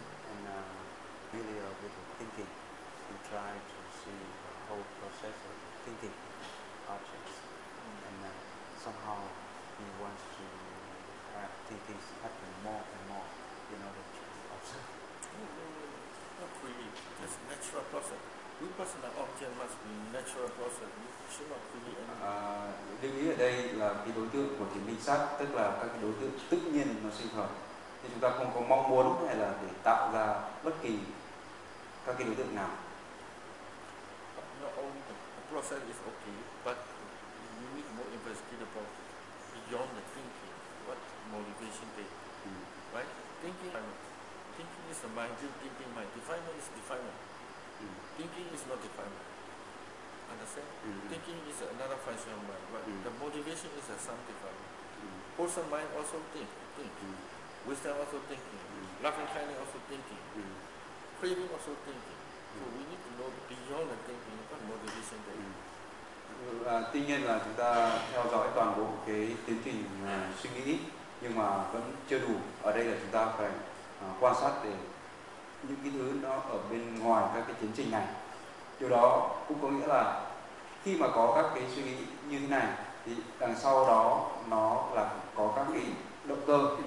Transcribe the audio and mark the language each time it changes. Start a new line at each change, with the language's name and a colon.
English: And really with thinking, he tried to see the whole process of thinking objects. And somehow he wants to have thinking happen more and more in order to observe. Not really. It's natural process. Vipassana object must be natural. natural process. You should not create any.
Vietnamese: Lưu ý ở đây là cái đối tượng của thiền minh sát, tức là các cái đối tượng tự nhiên nó sinh khởi. Thì chúng ta không có mong muốn hay là để tạo ra bất kỳ các cái đối tượng nào.
English: No, the process is okay, but you need more investigation about beyond the thinking. What motivation they? Right? Thinking is the mind. Thinking mind. Definement is definement. Thinking is not definement. Understand? Thinking is another function of mind. But the motivation is a something. Wholesome mind also think. Wisdom also thinking. Loving kindness also thinking. Craving also thinking. So we need to know beyond the thinking what motivation there is.
Vietnamese: Tuy nhiên là chúng ta theo dõi toàn bộ cái tiến trình suy nghĩ nhưng mà vẫn chưa đủ. Ở đây là chúng ta phải quan sát để những cái thứ nó ở bên ngoài các cái tiến trình này. Điều đó cũng có nghĩa là khi mà có các cái suy nghĩ như thế này thì đằng sau đó nó là có các cái động cơ.